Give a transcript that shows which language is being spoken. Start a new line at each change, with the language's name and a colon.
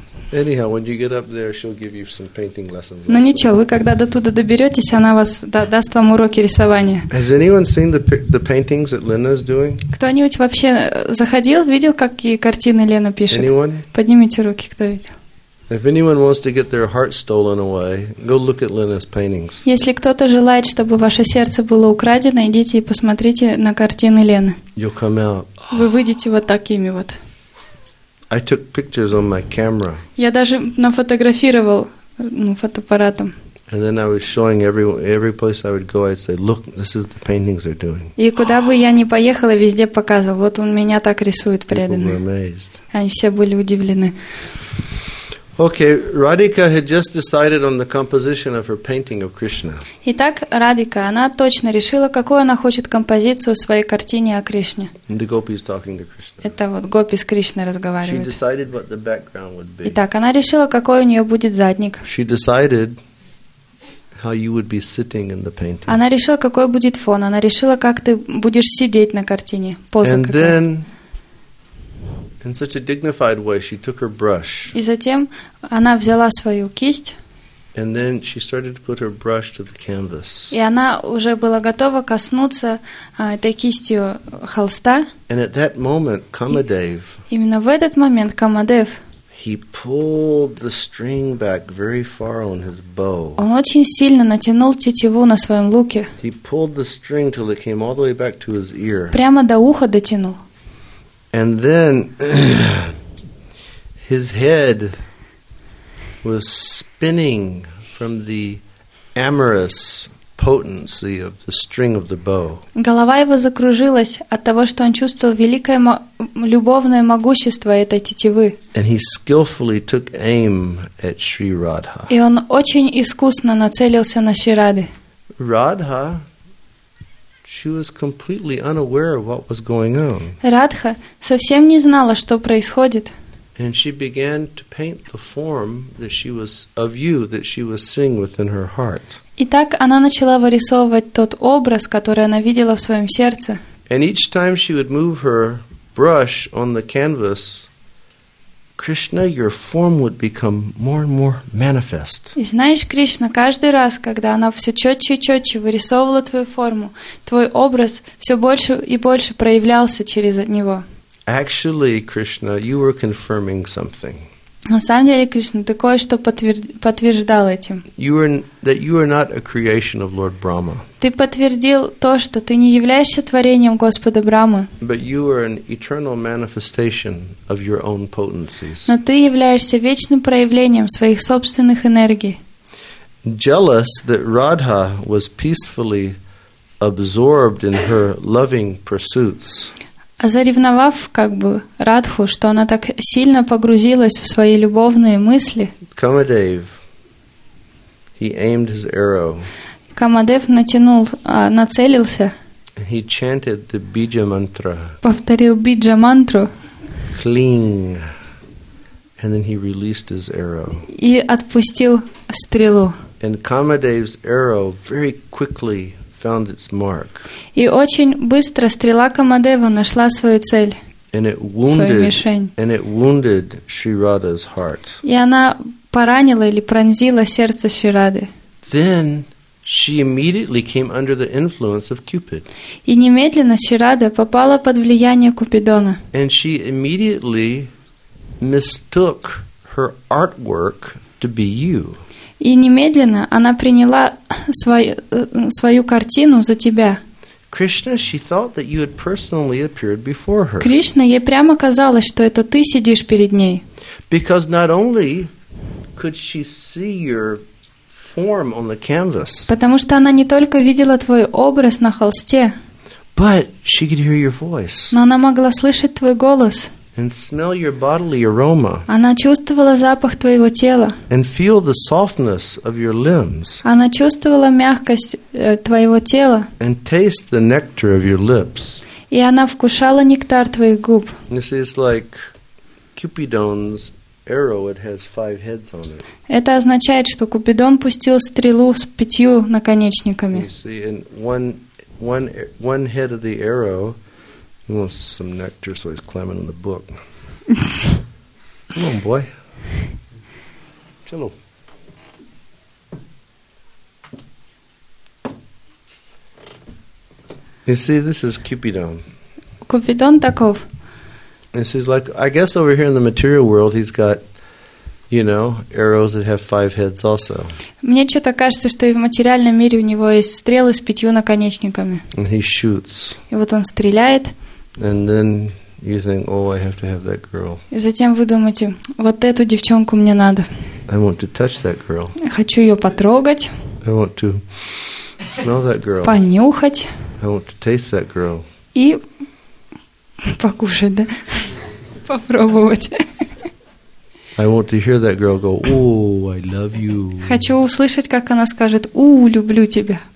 English: Anyhow, when you get up there, she'll give you some painting lessons.
Russian: Ну ничего, вы когда до туда доберетесь, она вас даст вам уроки рисования.
English: Has anyone seen the paintings that Lena's doing?
Russian: Кто-нибудь вообще заходил, видел, какие картины Лена пишет?
English: Anyone?
Russian: Поднимите руки, кто видел.
English: If anyone wants to get their heart stolen away, go look at Lena's paintings.
Russian: Если кто-то желает, чтобы ваше сердце было украдено, идите и посмотрите на картины Лены.
English: You'll come out.
Russian: Вы выйдете вот такими вот.
English: I took pictures on my camera.
Russian: Я даже нафотографировал, ну, фотоаппаратом.
English: And then I was showing every place I would go, I'd say, "Look, this is the paintings they're doing."
Russian: И куда бы я ни поехала, везде показывал. Вот он меня так рисует, преданный.
English: People were amazed.
Russian: Они все были удивлены.
English: Okay, Radhika had just decided on the composition of her painting of Krishna.
Russian: Итак, Радика, она точно решила, какую она хочет композицию своей картине о Кришне.
English: The gopi is talking to Krishna.
Russian: Это вот гопи с Кришной разговаривает.
English: She decided what the background would be.
Russian: Итак, она решила, какой у нее будет задник.
English: She decided how you would be sitting in the painting.
Russian: Она решила, какой будет фон. Она решила, как ты будешь сидеть на картине, поза какая.
English: And then, in such a dignified way, she took her brush.
Russian: И затем она взяла свою кисть.
English: And then she started to put her brush to the canvas.
Russian: И она уже была готова коснуться этой кистью холста.
English: And at that moment, Kamadev.
Russian: Именно в этот момент Камадев.
English: He pulled the string back very far on his bow.
Russian: Он очень сильно натянул тетиву на своем луке.
English: He pulled the string till it came all the way back to his ear.
Russian: Прямо до уха дотянул.
English: And then his head was spinning from the amorous potency of the string of the bow.
Russian: Голова его закружилась от того, что он чувствовал великое любовное могущество этой тетивы.
English: And he skillfully took aim at Sri Radha.
Russian: И он очень искусно нацелился на Шри Радхи.
English: Radha, she was completely unaware of what was going on.
Russian: Радха совсем не знала, что происходит.
English: And she began to paint the form that she was of you that she was seeing within her heart.
Russian: Итак, она начала вырисовывать тот образ, который она видела в своем сердце.
English: And each time she would move her brush on the canvas, Krishna, your form would become more and more manifest.
Russian: И знаешь, Кришна, каждый раз, когда она все четче и четче вырисовывала твою форму, твой образ все больше и больше проявлялся через него.
English: Actually, Krishna, you were confirming something.
Russian: На самом деле, Кришна, ты кое-что подтверждал этим.
English: You are not a creation of Lord Brahma.
Russian: Ты подтвердил то, что ты не являешься творением Господа Брахмы.
English: But you are an eternal manifestation of your own potencies.
Russian: Но ты являешься вечным проявлением своих собственных энергий.
English: Jealous that Radha was peacefully absorbed in her loving pursuits.
Russian: А заревновав, как бы, Радху, что она так сильно погрузилась в свои любовные мысли,
English: Камадев, he aimed his arrow.
Russian: Камадев натянул, нацелился.
English: And he chanted the Bija mantra.
Russian: Повторил Биджа мантру.
English: Кling. And then he released his arrow.
Russian: И отпустил стрелу.
English: And Kamadev's arrow very quickly found its mark.
Russian: И очень быстро стрела Камадева нашла свою цель.
English: And it wounded,
Russian: свою мишень.
English: And it wounded Shri Radha's heart.
Russian: И она поранила или пронзила сердце Шри Рады.
English: Then she immediately came under the influence of Cupid.
Russian: И немедленно Шри Рада попала под влияние Купидона.
English: And she immediately mistook her artwork to be you.
Russian: И немедленно она приняла свою картину за тебя.
English: Krishna, she thought that you had personally appeared before her.
Russian: Кришна, ей прямо казалось, что это ты сидишь перед ней.
English: Because not only could she see your form on the canvas.
Russian: Потому что она не только видела твой образ на холсте.
English: But she could hear your voice.
Russian: Но она могла слышать твой голос.
English: And smell your bodily aroma.
Russian: Она чувствовала запах твоего тела.
English: And feel the softness of your limbs.
Russian: Она чувствовала мягкость твоего тела.
English: And taste the nectar of your lips.
Russian: И она вкушала нектар твоих губ.
English: You see, it's like Cupidon's arrow, it has five heads on it.
Russian: Это означает, что Купидон пустил стрелу с пятью наконечниками.
English: You see, and one head of the arrow. He wants some nectar, so he's climbing on the book. Come on, boy. Chillo. You see, this is Cupidon.
Russian: Cupidon таков.
English: This is like, I guess over here in the material world, he's got, you know, arrows that have five heads also.
Russian: Мне что-то кажется, что и в материальном мире у него есть стрелы с пятью наконечниками.
English: And he shoots.
Russian: И вот он стреляет.
English: And then you think, oh, I have to have that girl.
Russian: И затем вы думаете, вот эту девчонку мне надо.
English: I want to touch that girl.
Russian: Хочу ее потрогать.
English: I want to smell that girl.
Russian: Понюхать.
English: I want to taste that girl.
Russian: И покушать, да? Попробовать.
English: I want to hear that girl go, oh, I love you.
Russian: Хочу услышать, как она скажет, у, люблю тебя.